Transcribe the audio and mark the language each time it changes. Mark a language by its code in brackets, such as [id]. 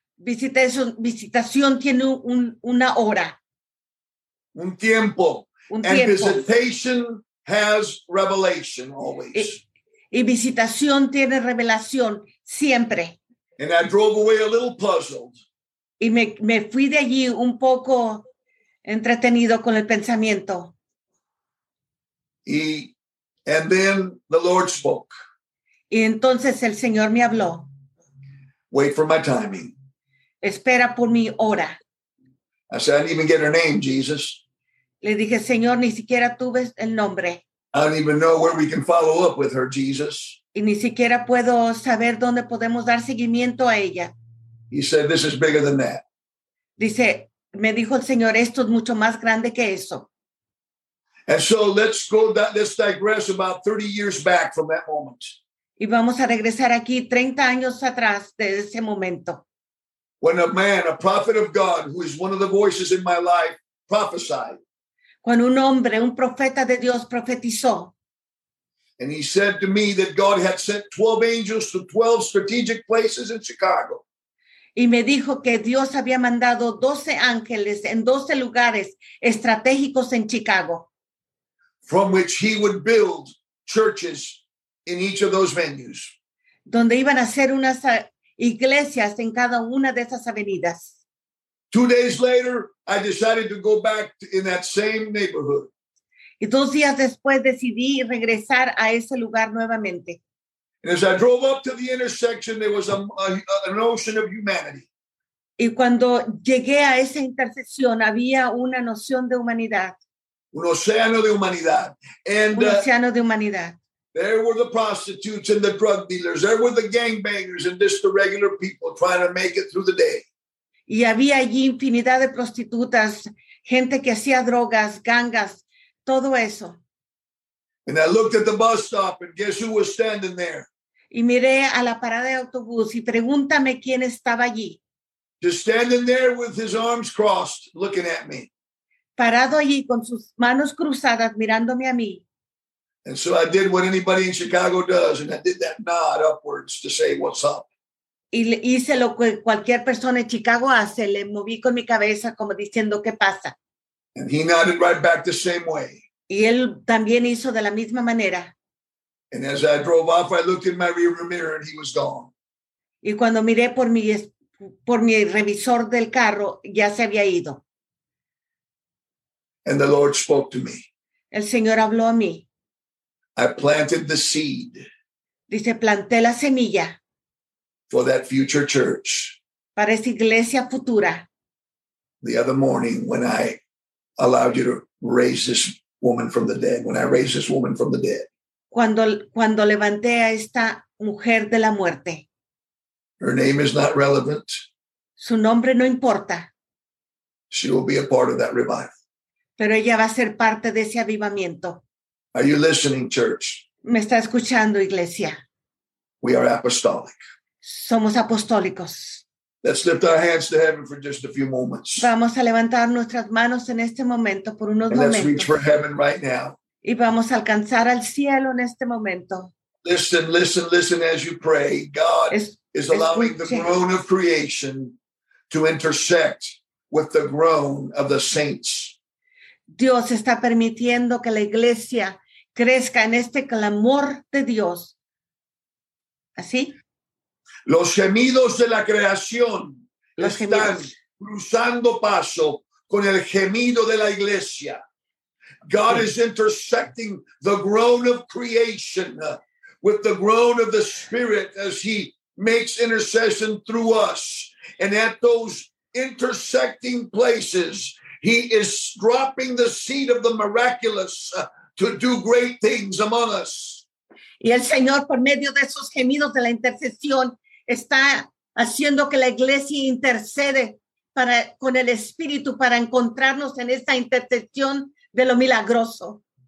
[es] Visitación tiene una hora. Un tiempo. Un [en] and [es] tiempo. [en] Visitation has revelation always. [es] Y visitación tiene revelación siempre. [en] And I drove away a little puzzled. [es] Y me fui de allí un poco entretenido con el pensamiento. [en] And then the Lord spoke. [es] Y entonces el Señor me habló. [en] Wait for my timing. [es] Espera por mi hora. [en] I said, I didn't even get her name, Jesus. [es] Le dije, Señor, ni siquiera tuve el nombre. [en] I don't even know where we can follow up with her, Jesus. [es] Y ni siquiera puedo saber dónde podemos dar seguimiento a ella. [en] He said, this is bigger than that. [es] Dice, me dijo el Señor, esto es mucho más grande que eso. [en] And so let's digress about 30 years back from that moment. [es] Y vamos a regresar aquí 30 años atrás de ese momento. [en] When a man, a prophet of God, who is one of the voices in my life, prophesied. [es] Cuando un hombre, un profeta de Dios, profetizó. [en] And he said to me that God had sent 12 angels to 12 strategic places in Chicago. [es] Y me dijo que Dios había mandado 12 ángeles en 12 lugares estratégicos en Chicago. [en] From which he would build churches in each of those venues. [es] Donde iban a hacer unas iglesias en cada una de esas avenidas. [en] 2 days later, I decided to go back in that same neighborhood. [es] Y 2 días después decidí regresar a ese lugar nuevamente. [en] And as I drove up to the intersection, there was an ocean of humanity. [es] Y cuando llegué a esa intersección, había una noción de humanidad. Un océano de humanidad. And, un océano de humanidad. [en] There were the prostitutes and the drug dealers. There were the gangbangers and just the regular people trying to make it through the day. [es] Y había allí infinidad de prostitutas, gente que hacía drogas, gangas, todo eso. [en] And I looked at the bus stop and guess who was standing there? [es] Y miré a la parada de autobús y pregúntame quién estaba allí. [en] Just standing there with his arms crossed, looking at me. [es] Parado allí con sus manos cruzadas, mirándome a mí. [en] And so I did what anybody in Chicago does, and I did that nod upwards to say, what's up? [es] Y hice lo que cualquier persona en Chicago hace, le moví con mi cabeza como diciendo, ¿qué pasa? [en] And he nodded right back the same way. [es] Y él también hizo de la misma manera. [en] And as I drove off, I looked in my rearview mirror and he was gone. [es] Y cuando miré por mi revisor del carro, ya se había ido. [en] And the Lord spoke to me. [es] El Señor habló a mí. [en] I planted the seed. [es] Dice, planté la semilla. [en] For that future church. [es] Para esa iglesia futura. [en] The other morning when I allowed you to raise this woman from the dead. When I raised this woman from the dead. [es] Cuando levanté a esta mujer de la muerte. [en] Her name is not relevant. [es] Su nombre no importa. [en] She will be a part of that revival. [es] Pero ella va a ser parte de ese avivamiento. [en] Are you listening, church? [es] Me está escuchando, iglesia. [en] We are apostolic. [es] Somos apostólicos. [en] Let's lift our hands to heaven for just a few moments. [es] Vamos a levantar nuestras manos en este momento por unos momentos. [en] And let's reach for heaven right now. [es] Y vamos a alcanzar al cielo en este momento. [en] Listen, listen, listen as you pray. God is allowing the groan of creation to intersect with the groan of the saints. [es] Dios está permitiendo que la iglesia crezca en este clamor de Dios. ¿Así? Los gemidos de la creación están cruzando paso con el gemido de la iglesia. [en] God is intersecting the groan of creation with the groan of the Spirit as he makes intercession through us. And at those intersecting places, he is dropping the seed of the miraculous to do great things among us. [es] Y el Señor, por medio de esos gemidos de la intercesión, está haciendo que la iglesia intercede para, con el Espíritu para encontrarnos en esta intercesión de lo milagroso.